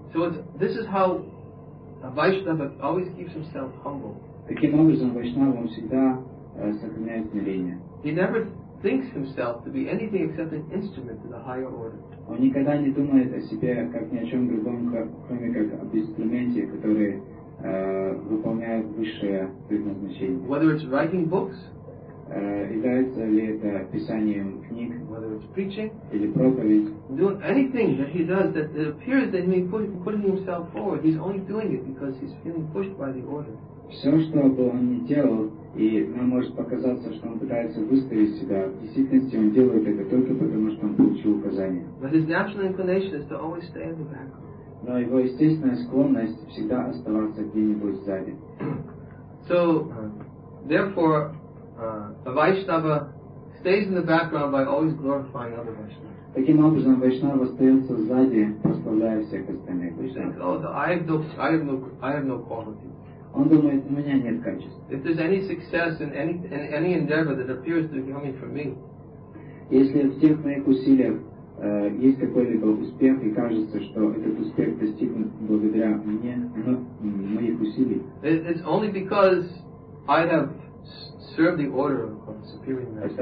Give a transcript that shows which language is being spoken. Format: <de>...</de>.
<en>So this is how a Vaishnava always keeps himself humble.</en> <ru>Таким образом, Вайшнава всегда сохраняет смирение.</ru> <en>He never thinks himself to be anything except an instrument to the higher order.</en> <ru>Он никогда не думает о себе как ни о чем другом, кроме как об инструменте, который выполняет высшее предназначение.</ru> <en>Whether it's writing books,</en> <ru>является ли это писанием книг,</ru> <en>whether it's preaching,</en> <ru>или проповедь,</ru> <en>doing anything that he does that it appears that he's putting himself forward, he's only doing it because he's feeling pushed by the order.</en> <ru>Все, что бы он ни делал, и нам может показаться, что он пытается выставить себя, в действительности он делает это только потому, что он получил указание.</ru> <en>But his natural inclination is to always stay in the background.</en> <ru>Но его естественная склонность всегда оставаться где-нибудь сзади.</ru> <en>So, therefore, a Vaishnava stays in the background by always glorifying other Vaishnavas.</en> <ru>Таким образом, Вайшнава остается сзади, прославляя всех остальных</ru> <en>Вайшнава. I have no quality.</en> <ru>Он думает, у меня нет качеств.</ru> <en>If there's any success in any endeavor that appears to be coming from me,</en> <ru>если в тех моих усилиях есть какой-либо успех и кажется, что этот успех достигнут благодаря мне, моих усилий,</ru> <en>it's only because I have served the order of the Supreme Master.</en>